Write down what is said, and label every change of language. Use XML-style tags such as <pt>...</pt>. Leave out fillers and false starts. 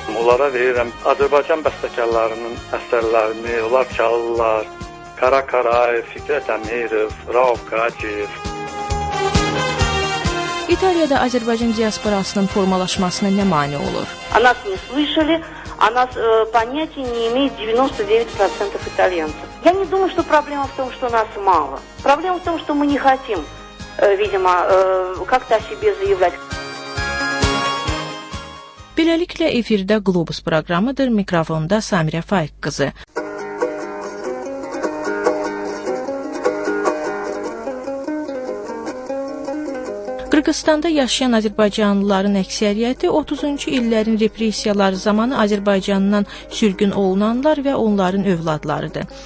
<az>Onlara deyirəm, Azərbaycan bəstəkarlarının əsərlərini, onlar çalırlar. Kara Karay, Fikret Amirov, Rauf Qacir. İtaliyada Azərbaycan diasporasının formalaşmasına nə mani olur?</az> <ru>Anas mı слышали? Anas понятия не имеет 99% итальянцев. Я не думаю, что проблема в том, что нас мало. Проблема в том, что мы не хотим, видимо, как-то о себе заявлять.</ru> <az>Beləliklə efirdə Globus proqramıdır. Mikrofonda Samirə Faiq qızı. Qırğızstanda yaşayan azərbaycanlıların əksəriyyəti 30-cu illərin repressiyaları zamanı Azərbaycandan sürgün olunanlar və onların övladlarıdır.</az>